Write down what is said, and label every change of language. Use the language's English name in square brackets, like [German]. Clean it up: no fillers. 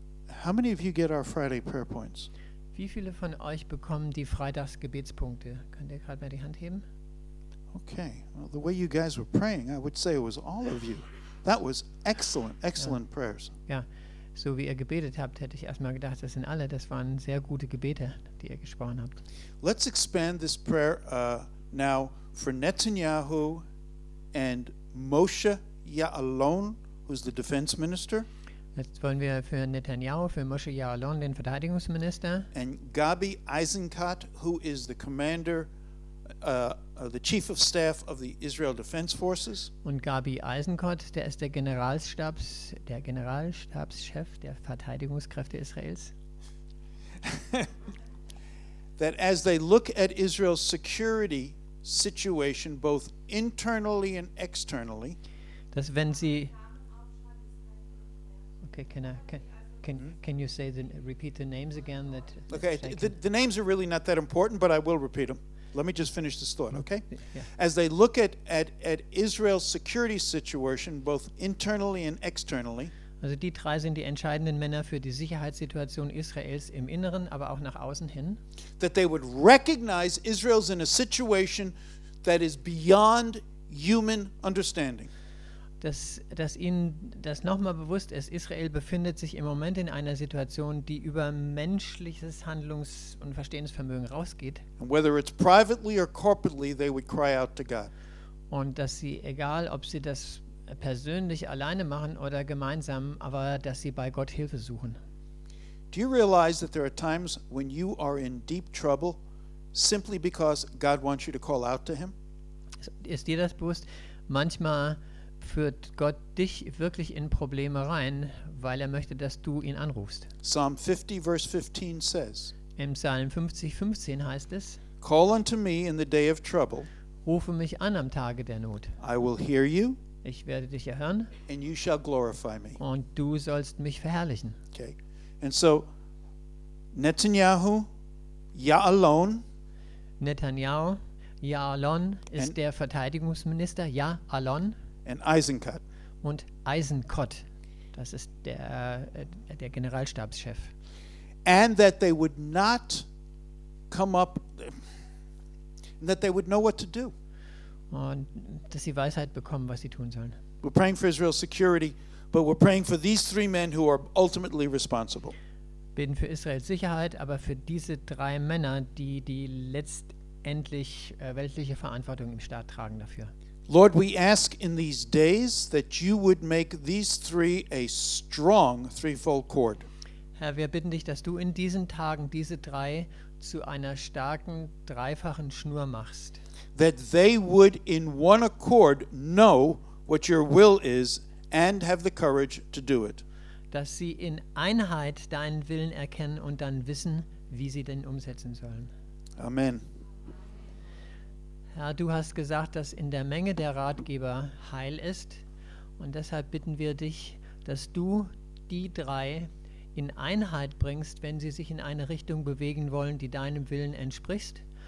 [English] How many of you get our Friday prayer points? [German] Wie viele von euch bekommen die Freitagsgebetspunkte? Könnt ihr gerade mal die Hand heben? [English] Okay. Well, the way you guys were praying, I would say it was all of you. That was excellent, excellent prayers. [German] Ja, so wie ihr gebetet habt, hätte ich erstmal gedacht, das sind alle. Das waren sehr gute Gebete, die ihr gesprochen habt. [English] Let's expand this prayer now for Netanyahu and Moshe Ya'alon, who's the defense minister. [German] Jetzt wollen wir für Netanyahu, für Moshe Ya'alon, den Verteidigungsminister. [English] And Gabi Eisenkot, who is the commander, the chief of staff of the Israel Defense Forces. [German] Und Gabi Eisenkot, der ist der Generalstabschef der Verteidigungskräfte Israels. [English] That as they look at Israel's security situation, both internally and externally. [German] Dass wenn sie [English] okay, can you say repeat the names again that okay the names are really not that important, but I will repeat them. Let me just finish this thought, okay? Yeah. As they look at Israel's security situation both internally and externally. [German] Also die drei sind die entscheidenden Männer für die Sicherheitssituation Israels im Inneren, aber auch nach außen hin. [English] That they would recognize Israel's in a situation that is beyond human understanding. [German] Dass ihnen das nochmal bewusst ist, Israel befindet sich im Moment in einer Situation, die über menschliches Handlungs- und Verstehensvermögen rausgeht. [English] And whether it's privately or corporately, they would cry out to God. [German] Und dass sie, egal ob sie das persönlich alleine machen oder gemeinsam, aber dass sie bei Gott Hilfe suchen. [English] Do you realize that there are times when you are in deep trouble, simply because God wants you to call out to him? [German] Ist dir das bewusst? Manchmal führt Gott dich wirklich in Probleme rein, weil er möchte, dass du ihn anrufst. [English] Psalm 50, verse 15 says, [German] im Psalm 50, 15 heißt es, [English] call unto me in the day of trouble, [German] rufe mich an am Tage der Not. [English] I will hear you, [German] ich werde dich erhören, [English] and you shall glorify me. [German] Und du sollst mich verherrlichen. [English] Okay. And so, Netanyahu, Ya'alon, [German] Netanyahu, Ya'alon ist der Verteidigungsminister, Ya'alon, [English] and Eisenkot. [German] Und Eisenkot, das ist der Generalstabschef. [English] And that they would not come up, that they would know what to do. [German] und dass sie Weisheit bekommen, was sie tun sollen. [English] We're praying for Israel's security, but we're praying for these three men who are ultimately responsible. [German] Beten für Israels Sicherheit, aber für diese drei Männer, die die letztendlich weltliche Verantwortung im Staat tragen dafür. [English] Lord, we ask in these days that you would make these three a strong threefold cord. [German] Herr, wir bitten dich, dass du in diesen Tagen diese drei zu einer starken dreifachen Schnur machst. [English] That they would in one accord know what your will is and have the courage to do it. [German] Dass sie in Einheit deinen Willen erkennen und dann wissen, wie sie den umsetzen sollen. [English] Amen. [German] Herr, du hast gesagt, dass in der Menge der Ratgeber Heil ist. Und deshalb bitten wir dich, dass du die drei in Einheit bringst, wenn sie sich in eine Richtung bewegen wollen, die deinem Willen entspricht.